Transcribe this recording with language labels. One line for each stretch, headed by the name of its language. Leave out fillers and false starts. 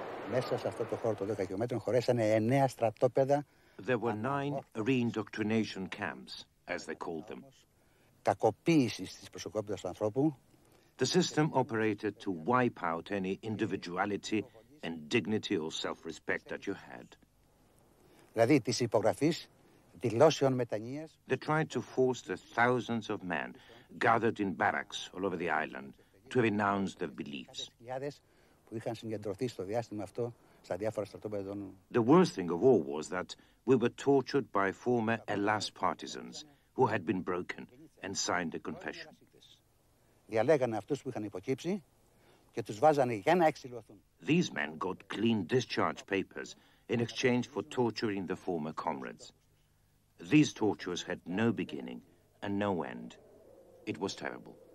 Greek: Μέσα σε αυτό το χώρο των 10 χιλιόμετρων χωρέσανε 9 στρατόπεδα.
English: There were 9 re-indoctrination camps, as they called them.
Greek: Κακοποίησης της προσωπικότητας του ανθρώπου.
English: The system operated to wipe out any individuality and dignity or self-respect that you had.
Greek: Δηλαδή της υπογραφής δηλώσεων μετανοίας.
English: They tried to force the thousands of men gathered in barracks all over the island to renounce their beliefs.
Greek: Που είχαν συγκεντρωθεί στο διάστημα αυτό στα διάφορα στρατόπεδα.
English: The worst thing of all was that we were tortured by former Ελλάς partisans who had been broken and signed a confession.
Greek: Διαλέγανε αυτούς που είχαν υποκύψει και τους βάζανε για να εξηλωθούν.
English: These men got clean discharge papers in exchange for torturing the former comrades. These tortures had no beginning and no end. It was terrible.